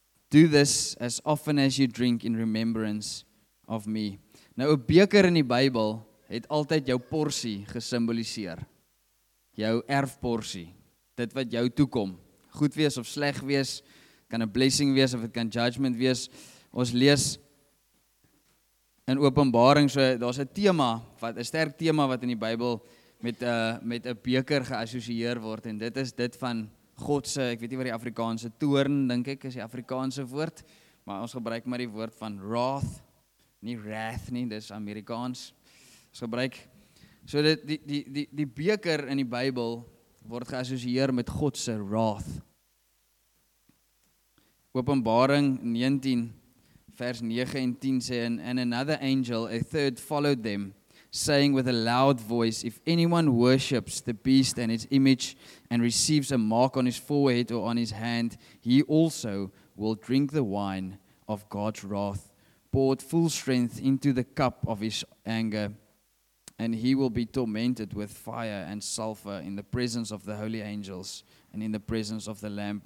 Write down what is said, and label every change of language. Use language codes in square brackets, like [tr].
[en] Do this as often as you drink in remembrance of me." [af] Nou 'n beker in die Bybel het altyd jou porsie gesimboliseer. Jou erfporsie. Dit wat jou toekom. Goed wees of sleg wees, kan 'n blessing wees of dit kan judgment wees. Ons lees in Openbaring, so daar's 'n tema, wat 'n sterk tema wat in die Bybel met 'n beker geassosieer word en dit is dit van God se, ek weet nie wat die Afrikaanse toorn dink ek is die Afrikaanse woord, maar ons gebruik maar die woord van wrath, nie wrath nie, dis Amerikaans. Ons gebruik so die beker in die Bybel word geassosieer met God se wrath. Openbaring 19 Vers 9 en 10 sê, [en] and another angel, a third, followed them, saying with a loud voice, if anyone worships the beast and its image and receives a mark on his forehead or on his hand, he also will drink the wine of God's wrath, poured full strength into the cup of his anger, and he will be tormented with fire and sulfur in the presence of the holy angels and in the presence of the Lamb.